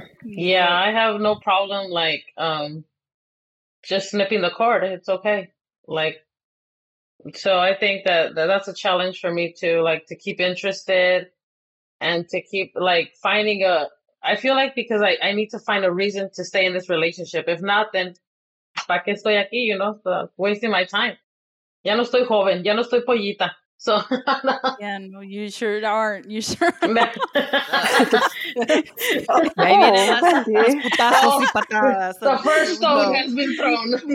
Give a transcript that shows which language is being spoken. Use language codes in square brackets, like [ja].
[en] Yeah, I have no problem like just snipping the cord. It's okay. Like, so I think that's a challenge for me to like to keep interested and to keep like finding I feel like because I need to find a reason to stay in this relationship. If not, then [es] ¿para qué estoy aquí? [en] You know, so, wasting my time. [es] Ya no estoy joven, ya no estoy pollita. [en] So yeah, no, you sure aren't. You sure. I mean, the first stone has been thrown.